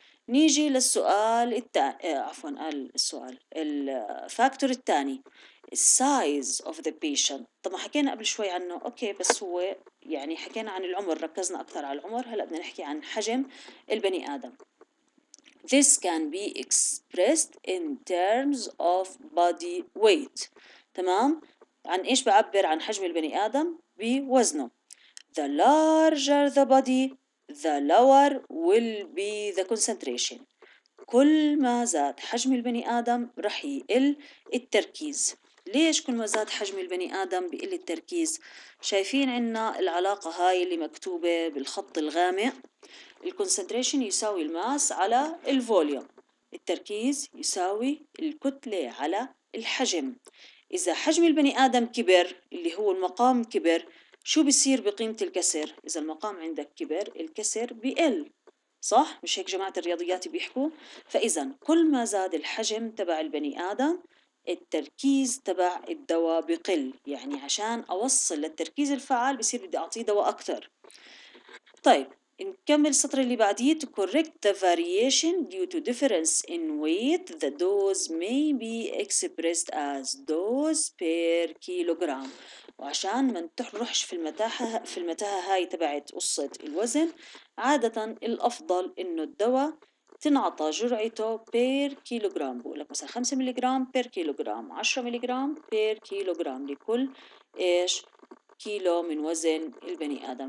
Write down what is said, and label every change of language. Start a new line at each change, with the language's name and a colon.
Arabic: نيجي للسؤال السؤال الفاكتور الثاني
English: size of the patient.
Arabic: طبعا حكينا قبل شوي عنه، أوكي، بس هو يعني حكينا عن العمر، ركزنا أكثر على العمر، هلأ بدنا نحكي عن حجم البني آدم.
English: This can be expressed in terms of body weight.
Arabic: تمام؟ عن إيش بعبر عن حجم البني آدم؟ بوزنه.
English: The larger the body, the lower will be the concentration.
Arabic: كل ما زاد حجم البني آدم رح يقل التركيز. ليش كل ما زاد حجم البني آدم بيقل التركيز؟ شايفين عنا العلاقة هاي اللي مكتوبة بالخط الغامق، الconcentration يساوي الماس على الفوليوم، التركيز يساوي الكتلة على الحجم. إذا حجم البني آدم كبر اللي هو المقام كبر، شو بيصير بقيمة الكسر؟ إذا المقام عندك كبر الكسر بيقل، صح؟ مش هيك جماعة الرياضيات بيحكوا؟ فإذا كل ما زاد الحجم تبع البني آدم التركيز تبع الدواء بقل، يعني عشان أوصل للتركيز الفعال بصير بدي أعطيه دواء أكتر. طيب نكمل السطر اللي بعديه.
English: To correct the variation due to difference in weight, the dose may be expressed as dose per kilogram.
Arabic: وعشان ما تروحش في المتاهة، في المتاهة هاي تبعت قصة الوزن، عادة الأفضل إنه الدواء تنعطى جرعته بير كيلوغرام، بقول لك مثلا 5 ميلي جرام بير كيلوغرام، 10 ميلي جرام بير كيلوغرام لكل ايش كيلو من وزن البني ادم.